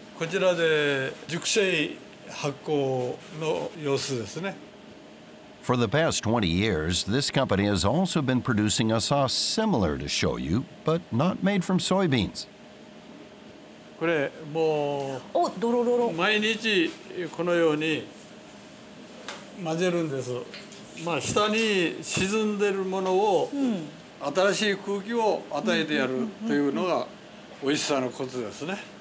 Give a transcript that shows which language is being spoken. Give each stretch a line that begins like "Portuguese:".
Japanese: こちらで熟成発酵の様子ですね。
English: For the past 20 years, this company has also been producing a sauce similar to shoyu, but not made from soybeans.
Japanese: これもう、お、ドロドロ。毎日このように混ぜるんです。まあ、下に沈んでるものを新しい空気を与えてやるというのが美味しさのコツですね。